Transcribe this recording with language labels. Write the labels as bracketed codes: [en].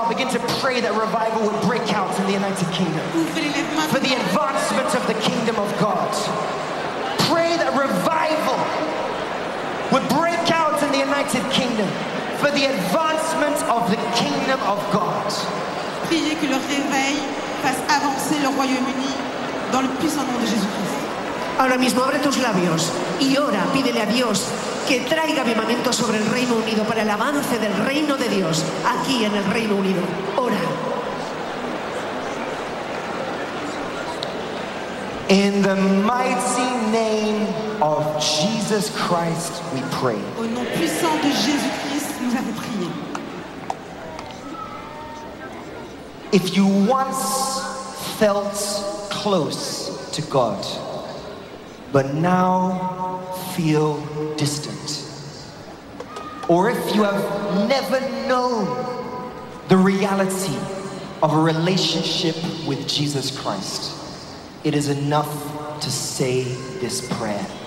[en] To pray that revival would break out in the United Kingdom for the advancement of the kingdom of God. Pray that revival would break out in the United Kingdom for the advancement of the kingdom of God. [fr] Priez que le réveil fasse avancer le Royaume-Uni dans le puissant nom de Jésus-Christ. [es] Ahora mismo abre tus labios y ora, pídele a Dios que traiga avivamiento sobre el Reino Unido para el avance del Reino de Dios aquí en el Reino Unido. Ora. [en] In the mighty name of Jesus Christ, we pray. [fr] Au nom puissant de Jésus-Christ, nous avons prié. [en] If you once felt close to God, but now feel distant, or if you have never known the reality of a relationship with Jesus Christ, it is enough to say this prayer.